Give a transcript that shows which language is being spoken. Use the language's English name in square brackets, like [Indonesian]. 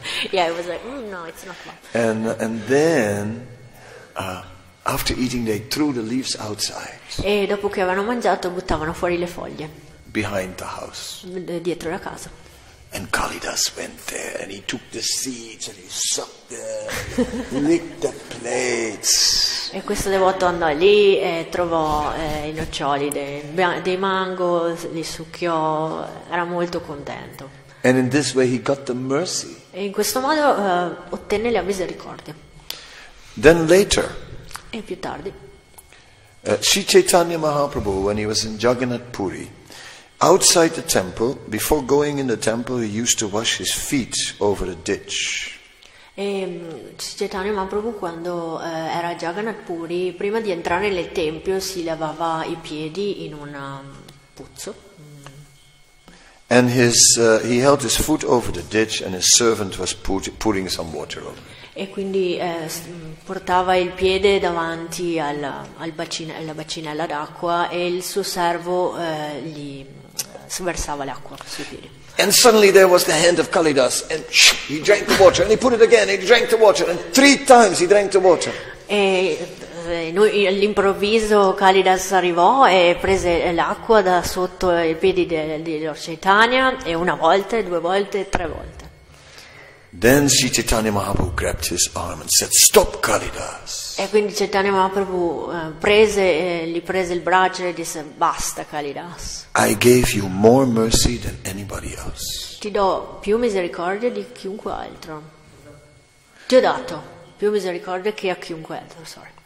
[English] Yeah, I was like, no, it's not palm. And then after eating they threw the leaves outside. [Italian] E dopo che avevano mangiato buttavano fuori le foglie. [English] Behind the house. [Italian] Dietro la casa. [English] And Kalidas went there and he took the seeds and he sucked them, licked the plates. [Italian] E questo devoto andò lì e trovò i noccioli dei mango, li succhiò, era molto contento. [English] And in this way he got the mercy. [Italian] E in questo modo ottenne la misericordia. [English] Then later. [Italian] E più tardi. [English] Sri Chaitanya Mahaprabhu, when he was in Jagannath Puri, outside the temple, before going in the temple, he used to wash his feet over a ditch. [Italian] E Sri Chaitanya Mahaprabhu, quando era a Jagannath Puri, prima di entrare nel tempio, si lavava i piedi in un pozzo. [English] And he held his foot over the ditch, and his servant was pouring some water over it. [Italian] E quindi portava il piede davanti alla bacinella d'acqua e il suo servo gli sversava l'acqua sui piedi. [English] And suddenly there was the hand of Kalidas and he drank the water and he put it again and he drank the water and three times he drank the water. [Italian] E all'improvviso Kalidas arrivò e prese l'acqua da sotto i piedi di Lord Chaitanya e una volta, due volte, tre volte. [English] Then Sri Chaitanya Mahaprabhu grabbed his arm and said, "Stop, Kalidas." [Italian] E quindi Chaitanya Mahaprabhu prese il braccio e disse, "Basta, Kalidas." [English] I gave you more mercy than anybody else. [Italian] Ti do più misericordia di chiunque altro. Ti ho dato più misericordia che a chiunque altro. Sorry.